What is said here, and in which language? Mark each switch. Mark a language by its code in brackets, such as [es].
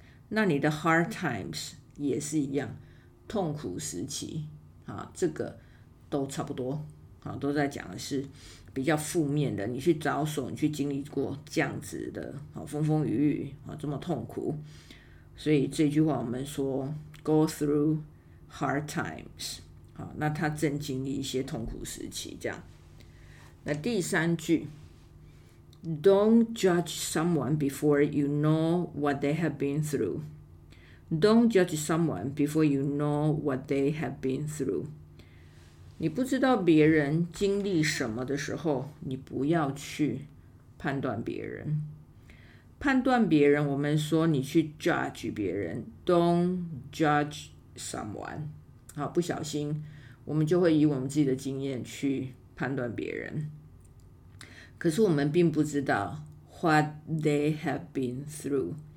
[zh] 那你的 hard times 也是一样，痛苦时期，好，这个都差不多，好，都在讲的是比较负面的。你去遭受，你去经历过这样子的，好，风风雨雨，好，这么痛苦。所以这句话我们说 go through hard times。好，那他正经历一些痛苦时期，这样。那第三句 [en] ，Don't judge someone before you know what they have been through. Don't judge someone before you know what they have been through. [zh] 你不知道别人经历什么的时候，你不要去判断别人。判断别人，我们说你去 judge 别人 ， [en] Don't judge someone。 [zh] 好，不小心我们就会以我们自己的经验去判断别人，可是我们并不知道 [en] what they have been through，